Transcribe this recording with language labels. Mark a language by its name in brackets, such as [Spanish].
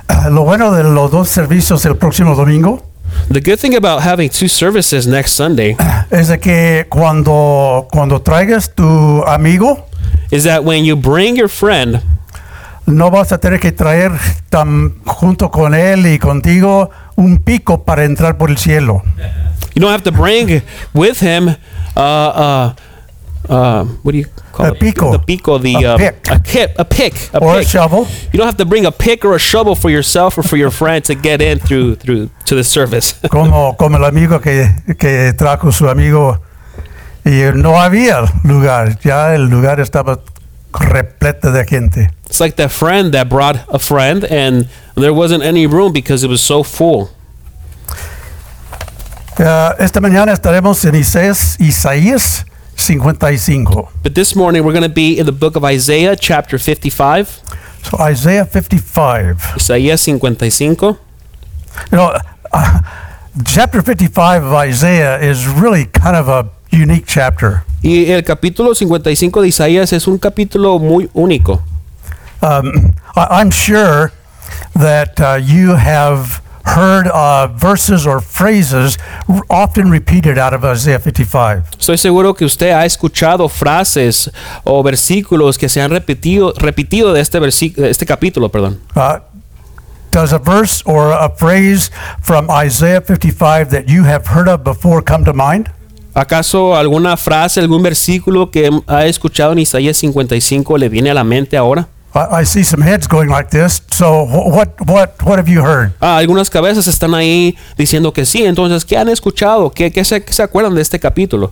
[Spanish] Lo bueno de los dos servicios el próximo domingo. [English] The good thing about having two services next Sunday [Spanish] es de que cuando traigas tu amigo, [English] is that when you bring your friend, [Spanish] no vas a tener que traer tan junto con él y contigo un pico para entrar por el cielo. [English] You don't have to bring with him what do you call a pico. It? The pico, the a pick, a shovel. You don't have to bring a pick or a shovel for yourself or for your friend to get in through to the service. [Spanish] Como el amigo que trajo su amigo y no había lugar, ya el lugar estaba repleto de gente. [English] It's like that friend that brought a friend and there wasn't any room because it was so full. [Spanish] Esta mañana estaremos en Isaías 55. [English] But this morning we're going to be in the book of Isaiah, chapter 55. So Isaiah 55. [Spanish] Isaías 55. [English] You know, chapter 55 of Isaiah is really kind of a unique chapter. [Spanish] Y el capítulo 55 de Isaías es un capítulo muy único. [English] I'm sure that you have heard verses or phrases often repeated out of Isaiah 55. [Spanish] Soy seguro que usted ha escuchado frases o versículos que se han repetido de este capítulo, perdón. [English] Does a verse or a phrase from Isaiah 55 that you have heard of before come to mind? [Spanish] ¿Acaso alguna frase, algún versículo que ha escuchado en Isaías 55 le viene a la mente ahora? [English] I see some heads going like this. So what have you heard? [Spanish] Algunas cabezas están ahí diciendo que sí. Entonces, ¿qué han escuchado? ¿Qué se acuerdan de este capítulo?